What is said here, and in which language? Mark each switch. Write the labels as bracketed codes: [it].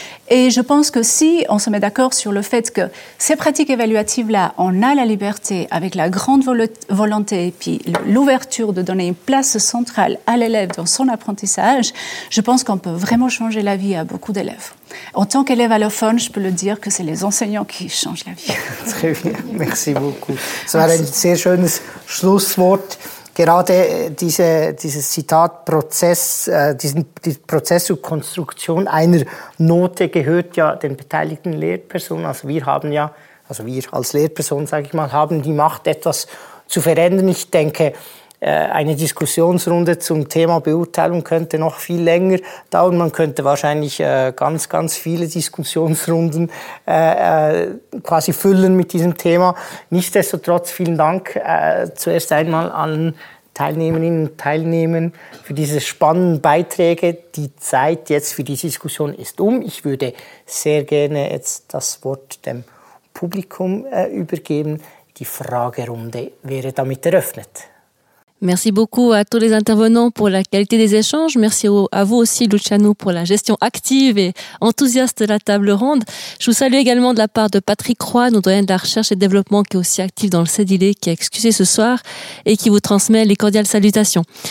[fr] Et je pense que si on se met d'accord sur le fait que ces pratiques évaluatives-là, on a la liberté, avec la grande volonté, et puis l'ouverture de donner une place centrale à l'élève dans son apprentissage, je pense qu'on peut vraiment changer la vie à beaucoup d'élèves. En tant qu'élève allophone, je peux le dire que c'est les enseignants qui changent la vie. Très bien, merci beaucoup. [de] Ça war ein sehr schönes Schlusswort. Gerade dieses Zitat, Prozess, diesen Prozess zur Konstruktion einer Note gehört ja den beteiligten Lehrpersonen. Also wir haben ja, also wir als Lehrperson, sage ich mal, haben die Macht, etwas zu verändern. Ich denke, eine Diskussionsrunde zum Thema Beurteilung könnte noch viel länger dauern. Man könnte wahrscheinlich ganz, ganz viele Diskussionsrunden quasi füllen mit diesem Thema. Nichtsdestotrotz vielen Dank zuerst einmal allen Teilnehmerinnen und Teilnehmern für diese spannenden Beiträge. Die Zeit jetzt für die Diskussion ist um. Ich würde sehr gerne jetzt das Wort dem Publikum übergeben. Die Fragerunde wäre damit eröffnet. [fr] Merci beaucoup à tous les intervenants pour la qualité des échanges. Merci à vous aussi, Luciano, pour la gestion active et enthousiaste de la table ronde. Je vous salue également de la part de Patrick Croix, notre doyen de la recherche et développement, qui est aussi actif dans le CEDILE, qui a excusé ce soir et qui vous transmet les cordiales salutations.